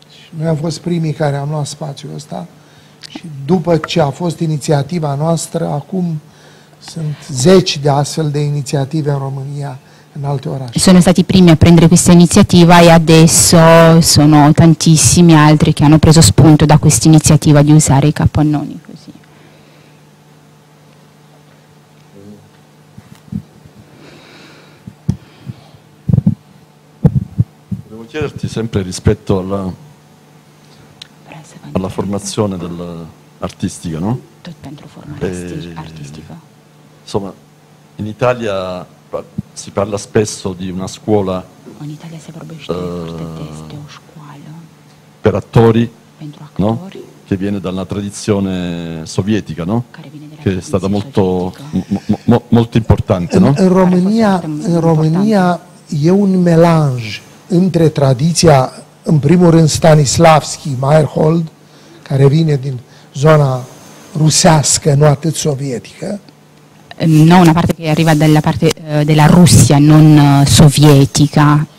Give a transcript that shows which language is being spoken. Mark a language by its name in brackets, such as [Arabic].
[Romanian] Noi am fost primii care am luat spațiul ăsta și după ce a fost inițiativa noastră, acum sunt zeci de astfel de inițiative în România, în alte orașe. [Italian] Sono stati i primi a prendere questa iniziativa e adesso sono tantissimi altri che hanno preso spunto da questa iniziativa di usare i capannoni così. Volevo chiederti sempre rispetto alla formazione dell'artistica, no? Dentro formare artistica. Insomma, in Italia si parla spesso di una scuola. In Italia si parla di una scuola per attori, no? Che viene dalla tradizione sovietica, no? Che è stata molto molto importante, no? In Romania è un melange [Romanian] între tradiția, în primul rând Stanislavski, Meyerhold, care vine din zona rusească, nu atât sovietică. [Italian] No, una parte che arriva dalla parte della Russia, non sovietica.